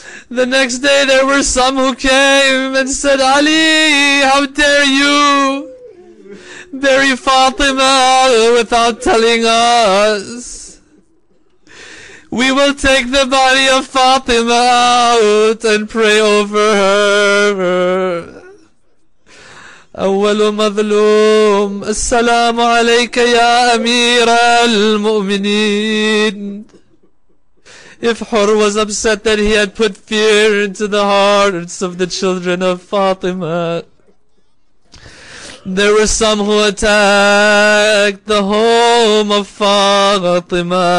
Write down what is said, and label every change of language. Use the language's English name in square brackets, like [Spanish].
[English] The next day there were some who came and said, Ali, how dare you bury Fatima without telling us? We will take the body of Fatima out and pray over her. [Arabic] أول مظلوم السلام عليك يا أمير المؤمنين. [English] If Hur was upset that he had put fear into the hearts of the children of Fatima, there were some who attacked the home of Fatima.